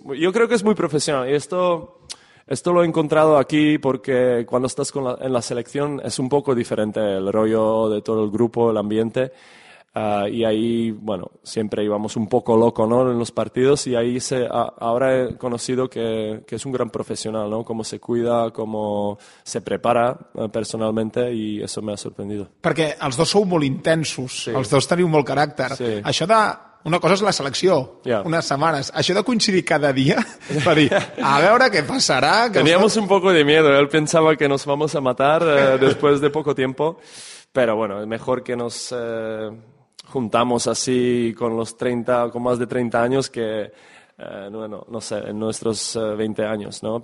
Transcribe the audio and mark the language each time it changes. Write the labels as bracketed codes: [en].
[es] Yo creo que es muy profesional y esto lo he encontrado aquí porque cuando estás en la selección es un poco diferente el rollo de todo el grupo, el ambiente... Y ahí, bueno, siempre íbamos un poco loco, ¿no?, en los partidos y ahí ahora he conocido que es un gran profesional, ¿no?, cómo se cuida, cómo se prepara personalmente y eso me ha sorprendido. [ca] Perquè els dos sou molt intensos, sí. Els dos teniu molt caràcter. Sí. Això de... Una cosa és la selecció, yeah. Unes setmanes. Això de coincidir cada dia, va dir, a veure què passarà... [es] Que teníamos un poco de miedo, él pensaba que nos vamos a matar después de poco tiempo. Pero bueno, mejor que nos juntamos así con los 30, con más de 30 años que, en nuestros 20 años, ¿no?